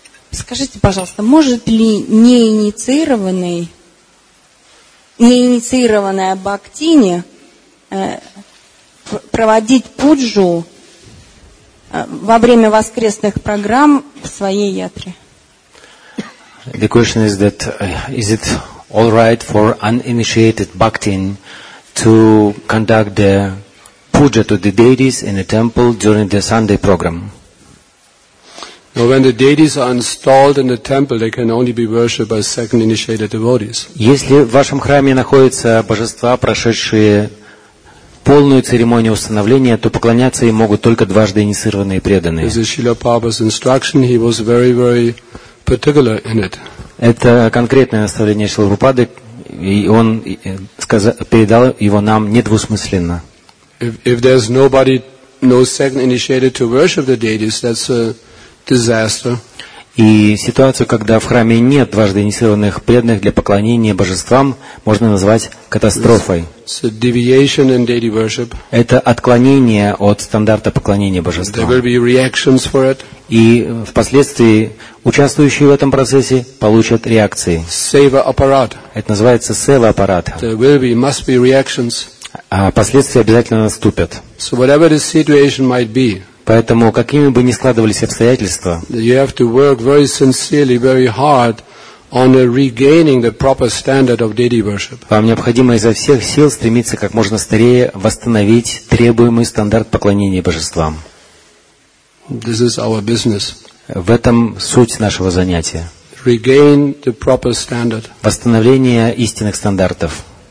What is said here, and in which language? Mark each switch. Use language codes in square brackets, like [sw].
[ru] Скажите, пожалуйста, может ли неинициированная бхактини проводить пуджу во время воскресных программ в своей ятре? [en] The question is that is it all right for uninitiated bhaktin to conduct the puja to the deities in the temple during the Sunday program? So when the deities are installed in the temple, they can only be worshipped by second initiated devotees. [ru] Если в вашем храме находятся божества, прошедшие полную церемонию установления, то поклоняться им могут только дважды инициированные преданные. [en] This is Srila Prabhupada's instruction. He was very, very particular in it. [ru] Это конкретное наставление Шрилы Прабхупады, и он передал его нам недвусмысленно. [en] If there's nobody, no second initiated to worship the deities, that's a disaster. [ru] И ситуацию, когда в храме нет дважды инициированных преданных для поклонения божествам, можно назвать катастрофой. [en] It's a deviation in deity worship. [ru] Это отклонение от стандарта поклонения божествам. [en] There will be reactions for it. [ru] И впоследствии участвующие в этом процессе получат реакции. [sa] Seva apparat. [ru] Это называется сева аппарат. [en] There will be, must be reactions. [ru] А последствия обязательно наступят. [en] So whatever the situation might be. [ru] Поэтому, какими бы ни складывались обстоятельства, [en] you have to work very sincerely, very hard on regaining the proper standard of deity worship. [ru] Вам необходимо изо всех сил стремиться как можно скорее восстановить требуемый стандарт поклонения божествам. [en] This is our business. [ru] В этом суть нашего занятия. [en] Regain the proper standard. [ru] Восстановление истинных стандартов.